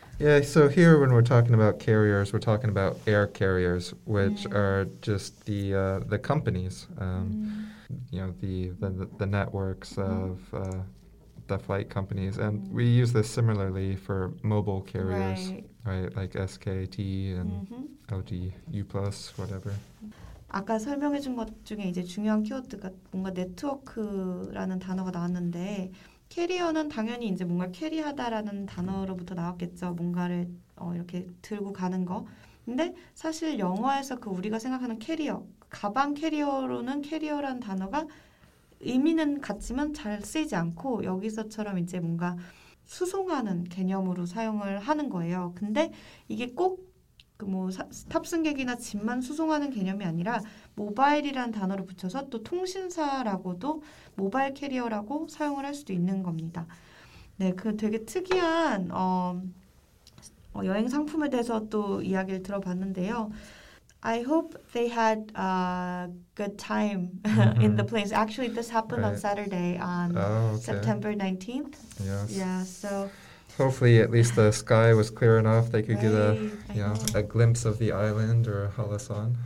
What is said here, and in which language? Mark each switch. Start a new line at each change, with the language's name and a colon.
English: Yeah, so here when we're talking about carriers, we're talking about air carriers, which are just the companies, you know, the networks of the flight companies, and we use this similarly for mobile carriers, right? Like SKT and LG U+, whatever.
Korean: 아까 설명해 준 것 중에 이제 중요한 키워드가 뭔가 네트워크라는 단어가 나왔는데 캐리어는 당연히 이제 뭔가 캐리하다라는 단어로부터 나왔겠죠. 뭔가를 이렇게 들고 가는 거. 근데 사실 영어에서 그 우리가 생각하는 캐리어, 가방 캐리어로는 캐리어라는 단어가 의미는 같지만 잘 쓰이지 않고 여기서처럼 이제 뭔가 수송하는 개념으로 사용을 하는 거예요. 근데 이게 꼭 그 뭐 탑승객이나 짐만 수송하는 개념이 아니라 모바일이라는 단어를 붙여서 또 통신사라고도 모바일 캐리어라고 사용을 할 수도 있는 겁니다. 네, 그 되게 특이한 여행 상품에 대해서 또 이야기를 들어봤는데요.
English: I hope they had a good time in the planes. Actually, this happened on Saturday on September 19th. Yes. Yeah, so hopefully at least the sky was clear enough they could get a glimpse of the island or Hallasan.